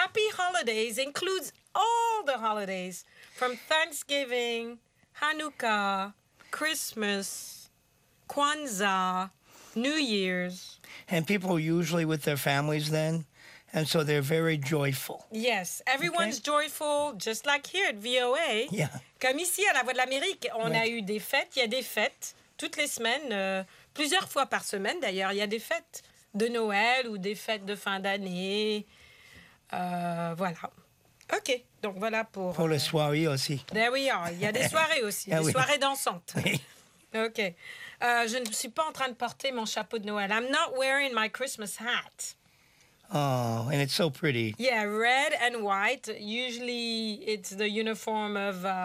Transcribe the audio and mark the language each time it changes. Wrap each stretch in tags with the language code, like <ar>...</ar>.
<en>happy holidays includes all the holidays from Thanksgiving, Hanukkah, Christmas, Kwanzaa, New Year's. And people are usually with their families then, and so they're very joyful. Yes, everyone's joyful, just like here at VOA. Yeah.</en> <fr>Comme ici à la Voix de l'Amérique, on a eu des fêtes. Il y a des fêtes toutes les semaines, plusieurs fois par semaine d'ailleurs. Il y a des fêtes de Noël ou des fêtes de fin d'année. Voilà. OK, donc voilà pour... Pour les soirées aussi.</fr> <en>There we are.</en> <fr>Il y a des soirées aussi, yeah, des soirées dansantes. OK. Je ne suis pas en train de porter mon chapeau de Noël.</fr> <en>I'm not wearing my Christmas hat. Oh, and it's so pretty. Yeah, red and white. Usually it's the uniform of...</en>